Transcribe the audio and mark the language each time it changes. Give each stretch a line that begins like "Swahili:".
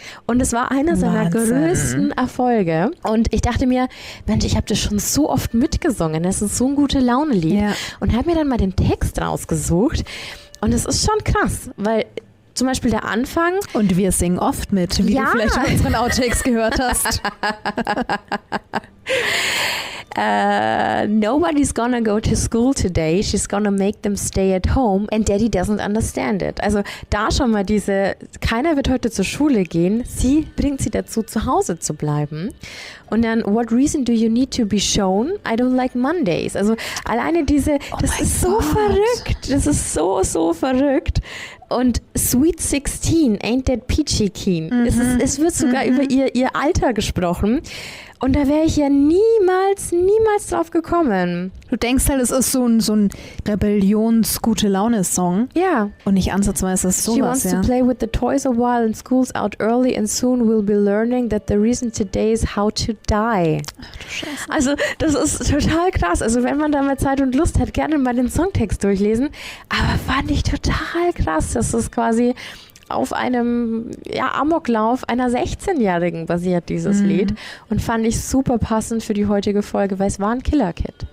German: Und es war einer seiner größten Erfolge. Und ich dachte mir, Mensch, ich habe das schon so oft mitgesungen. Das ist so ein gute Laune-Lied. Ja. Und habe mir dann mal den Text rausgesucht. Und es ist schon krass, weil zum Beispiel der Anfang. Und wir singen oft mit, wie du vielleicht in unseren Outtakes gehört hast.
English: Nobody's gonna go to school today. She's gonna make them stay at home. And daddy doesn't understand it.
German: Also da schon mal diese, keiner wird heute zur Schule gehen. Sie bringt sie dazu, zu Hause zu bleiben. Und dann,
English: what reason do you need to be shown? I don't like Mondays.
German: Also alleine diese, das ist so verrückt. Das ist so, so verrückt. Und
English: Sweet 16, Ain't That Peachy Keen.
German: Mhm. Es wird sogar über ihr Alter gesprochen. Und da wäre ich ja niemals drauf gekommen. Du denkst halt, es ist so ein Rebellions-Gute-Laune-Song. Ja. Und nicht ansatzweise ist das sowas,
English: ja. She wants to play with the toys a while and school's out early and soon we'll be learning that the reason today is how to die.
German: Ach du Scheiße. Also das ist total krass. Also wenn man da mal Zeit und Lust hat, gerne mal den Songtext durchlesen. Aber fand ich total krass. Das ist quasi auf einem Amoklauf einer 16-Jährigen basiert dieses Lied und fand ich super passend für die heutige Folge, weil es war ein Killer-Kid.